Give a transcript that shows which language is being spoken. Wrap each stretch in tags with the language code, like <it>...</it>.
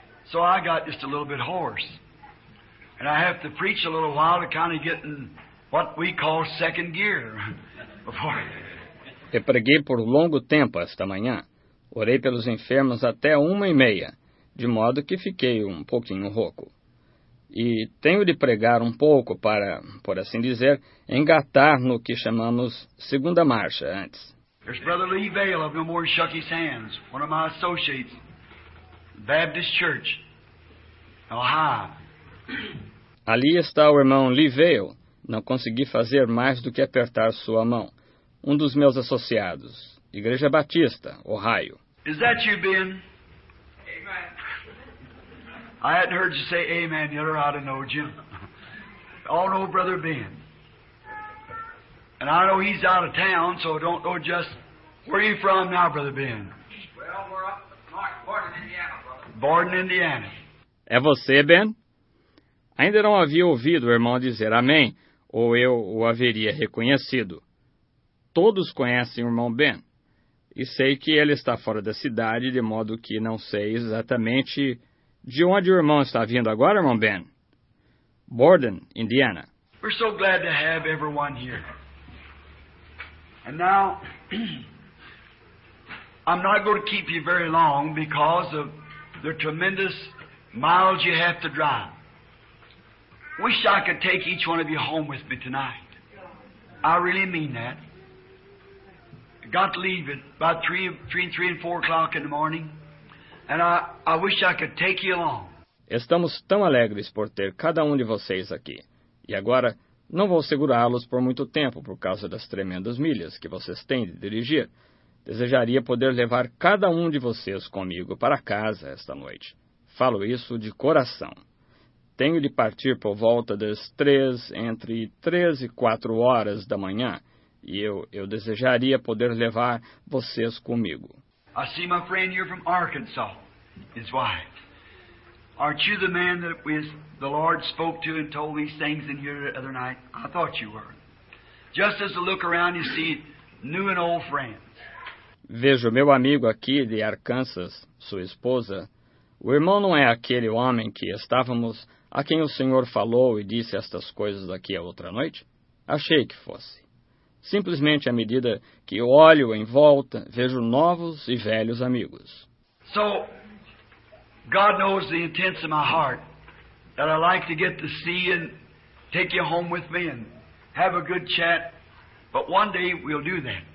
<en>So I got just a little bit hoarse. And I have to preach a little while to kind of get in what we call second gear. Before.</en> <pt>Eu preguei por longo tempo esta manhã. Orei pelos enfermos até 1:30, de modo que fiquei pouquinho rouco. E tenho de pregar pouco para, por assim dizer, engatar no que chamamos segunda marcha antes.</pt> <en>There's Brother Lee Vale of No More Shook His Hands, one of my associates, Baptist Church, Ohio.</en> <pt>Ali está o irmão Lee Vale. Não consegui fazer mais do que apertar sua mão. um dos meus associados, Igreja Batista, Ohio.</pt> <en>Is that you, Ben? Amen. I hadn't heard you say amen yet, or I'd have known you. All know Brother Ben. And I know he's out of town, so don't know just where you from now, Brother Ben. Well, we're up in Borden, Indiana, brother. Borden, Indiana.</en> <pt>É você, Ben? Ainda não havia ouvido o irmão dizer amém, ou eu o haveria reconhecido. Todos conhecem o irmão Ben, e sei que ele está fora da cidade, de modo que não sei exatamente de onde o irmão está vindo agora, irmão Ben. Borden, Indiana.</pt> <en>We're so glad to have everyone here. And now, I'm not going to keep you very long because of the tremendous miles you have to drive. Wish I could take each one of you home with me tonight. I really mean that. Got to leave at about 3 and 4 o'clock in the morning, and I wish I could take you along.</en> <pt>Estamos tão alegres por ter cada um de vocês aqui. E agora, não vou segurá-los por muito tempo por causa das tremendas milhas que vocês têm de dirigir. Desejaria poder levar cada um de vocês comigo para casa esta noite. Falo isso de coração. Tenho de partir por volta das 3 e 4 horas da manhã, e eu desejaria poder levar vocês comigo.</pt> <en>I see my friend here from Arkansas, his wife. Aren't you the man that was the Lord spoke to and told these things in here the other night? I thought you were. Just as I look around, you see new and old friends.</en> <pt>Vejo meu amigo aqui de Arkansas, sua esposa. O irmão não é aquele homem que estávamos, a quem o Senhor falou e disse estas coisas aqui a outra noite? Achei que fosse. Simplesmente à medida que eu olho em volta, vejo novos e velhos amigos.</pt> <en>So, God knows the intents of my heart, that I like to get to see and take you home with me and have a good chat, but one day we'll do that.</en>